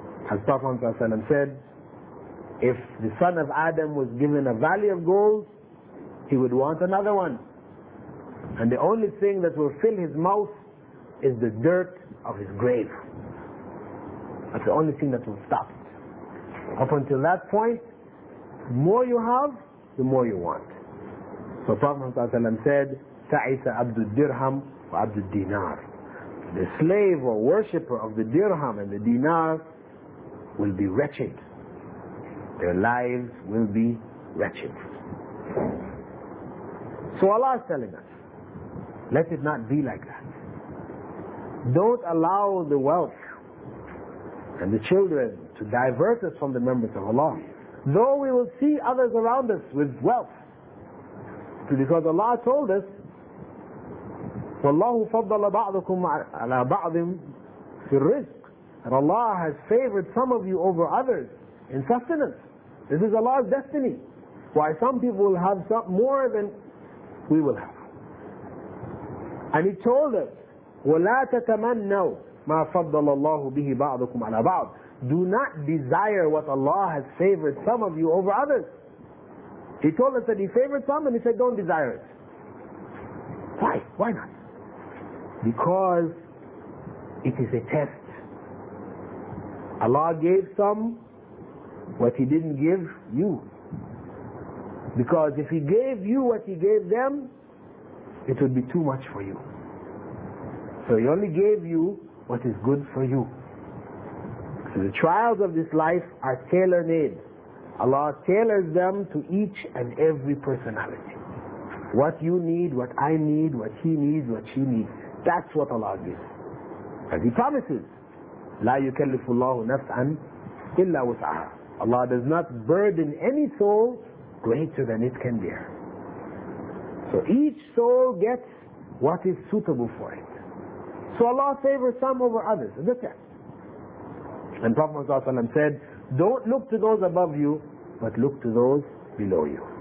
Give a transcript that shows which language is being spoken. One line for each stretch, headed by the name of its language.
English: As Prophet ﷺ said, if the son of Adam was given a valley of gold, he would want another one. And the only thing that will fill his mouth is the dirt of his grave. That's the only thing that will stop. Up until that point, the more you have, the more you want. So Prophet ﷺ said,
Arabic: تَعِثَ عَبْدُ الدِّرْهَمْ وَعَبْدُ الدِّينَارِ.
English: The slave or worshipper of the dirham and the dinar will be wretched. Their lives will be wretched. So Allah is telling us, let it not be like that. Don't allow the wealth and the children to divert us from the remembrance of Allah. Though we will see others around us with wealth. Because Allah told us,
Arabic: وَاللَّهُ فَضَّلَ بَعْضُكُمْ عَلَى بَعْضٍ فِي الرِّزْقِ.
English: And Allah has favored some of you over others in sustenance. This is Allah's destiny. Why some people will have some more than we will have. And He told us,
Arabic: وَلَا تَتَمَنَّوْا مَا فَضَّلَ اللَّهُ بِهِ بَعْضُكُمْ عَلَى بَعْضٍ.
English: Do not desire what Allah has favored some of you over others. He told us that he favored some and he said, don't desire it. Why? Why not? Because it is a test. Allah gave some what he didn't give you. Because if he gave you what he gave them, it would be too much for you. So he only gave you what is good for you. So the trials of this life are tailor-made. Allah tailors them to each and every personality. What you need, what I need, what he needs, what she needs. That's what Allah gives. As he promises,
Arabic: لا يكلف الله نفسا إلا وسعها.
English: Allah does not burden any soul greater than it can bear. So each soul gets what is suitable for it. So Allah favors some over others. Look at that. And Prophet ﷺ said, don't look to those above you, but look to those below you.